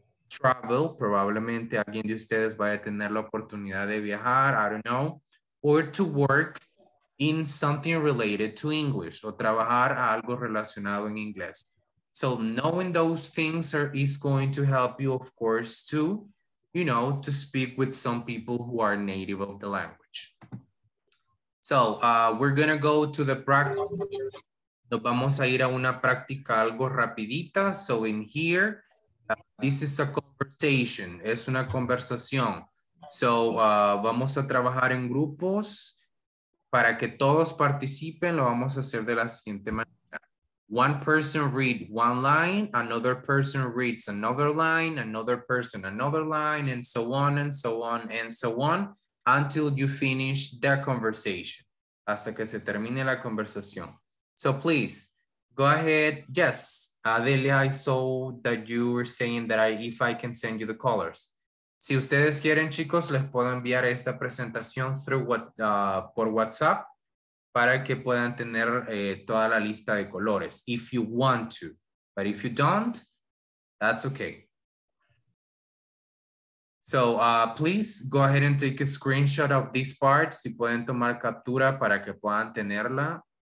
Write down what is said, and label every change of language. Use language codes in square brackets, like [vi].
[en] travel, [es] probablemente alguien de ustedes vaya a tener la oportunidad de viajar, [en] I don't know, or to work in something related to English, [es] o trabajar a algo relacionado en inglés. [en] So knowing those things is going to help you, of course, to, you know, to speak with some people who are native of the language. So we're gonna go to the practice. [es] Nos vamos a ir a una práctica algo rapidita. [en] So in here, this is a conversation, [es] es una conversación. So, vamos a trabajar en grupos para que todos participen, lo vamos a hacer de la siguiente manera. [en] One person read one line, another person reads another line, another line, and so on, and so on, and so on, until you finish the conversation, [es] hasta que se termine la conversación. [en] So, please, go ahead, yes. Adelia, I saw that you were saying that if I can send you the colors. [es] Si ustedes quieren, chicos, les puedo enviar esta presentación por WhatsApp para que puedan tener toda la lista de colores, [en] if you want to. But if you don't, that's okay. So please go ahead and take a screenshot of this part. [es] Si pueden tomar captura para que puedan tenerla.